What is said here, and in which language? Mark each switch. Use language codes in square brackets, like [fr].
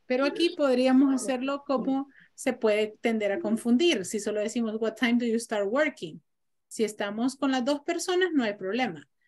[es] Pero aquí podríamos hacerlo como se puede tender a confundir. Si solo decimos, [en] what time do you start working? [es] Si estamos con las dos personas, no hay problema.